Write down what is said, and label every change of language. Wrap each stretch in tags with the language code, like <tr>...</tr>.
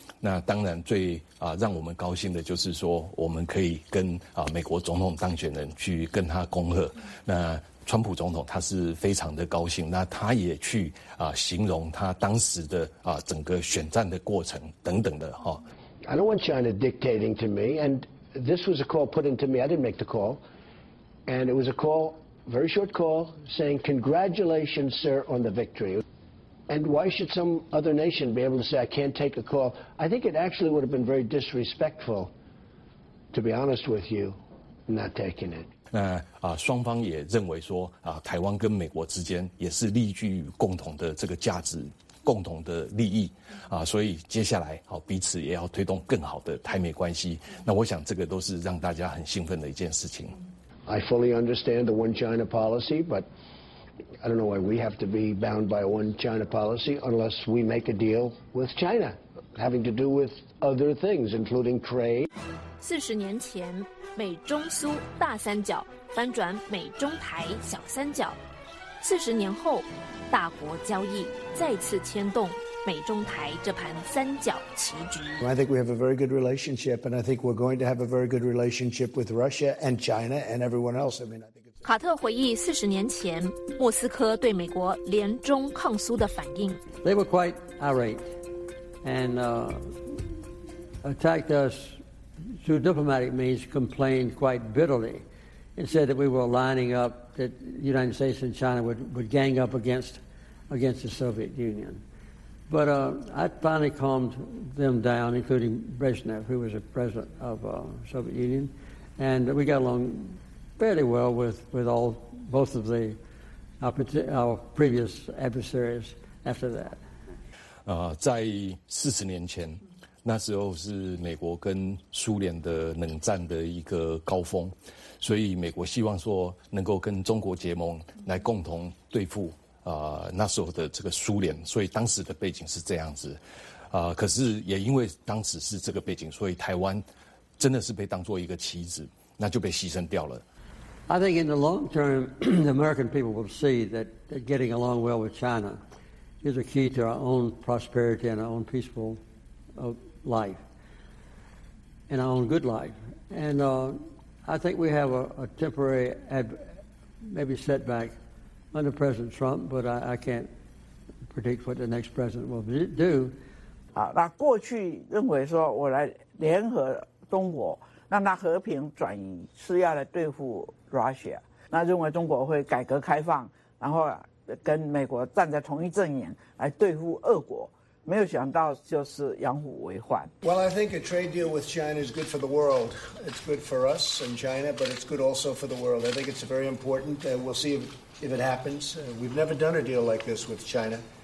<zh>那当然最让我们高兴的就是说，我们可以跟美国总统当选人去跟他恭贺。那川普总统他是非常的高兴，那他也去形容他当时的整个选战的过程等等的哈。</zh> <en>I don't want China dictating to me, and this was a call put into me. I didn't make the call, and it was a call, very short call, saying congratulations, sir, on the victory. And why should some other nation be able to say I can't take a call? I think it actually would have been very disrespectful, to be honest with you, not taking it.</en> <zh>那双方也认为说台湾跟美国之间也是立据于共同的这个价值，共同的利益所以接下来彼此也要推动更好的台美关系。那我想这个都是让大家很兴奋的一件事情。</zh> <en>I fully understand the one China policy, but I don't know why we have to be bound by a one China policy unless we make a deal with China, having to do with other things, including trade.</en> <zh>四十年前，美中苏大三角翻转美中台小三角。四十年后，大国交易再次牵动美中台这盘三角棋局。</zh> <en>I think we have a very good relationship, and I think we're going to have a very good relationship with Russia and China and everyone else. I mean, I think.</en> <zh>卡特回忆四十年前莫斯科对美国联中抗苏的反应。</zh> <en>They were quite irate and attacked us. Through diplomatic means, complained quite bitterly and said that we were lining up, that the United States and China would gang up against the Soviet Union. But I finally calmed them down, including Brezhnev, who was a president of the Soviet Union. And we got along fairly well with all, both of the, our previous adversaries after that.</en> <zh>在40年前那时候是美国跟苏联的冷战的一个高峰，所以美国希望说能够跟中国结盟来共同对付那时候的这个苏联，所以当时的背景是这样子可是也因为当时是这个背景，所以台湾真的是被当作一个棋子，那就被牺牲掉了。</zh> <en>I think in the long term the American people will see that getting along well with China is a key to our own prosperity and our own peacefullife and our own good life. And I think we have a temporary maybe setback under President Trump, but I can't predict what the next president will do.</en> <zh>那过去认为说我来联合中国让他和平转移是要来对付 Russia, 那认为中国会改革开放然后跟美国站在同一阵营来对付俄国。没有想到就是养虎为患。</zh> <en>Well, I think a trade deal with China is good for the world. It's good for us and China, but it's good also for the world. I think it's very important. We'll see if it happens. We've never done a deal like this with China.</en>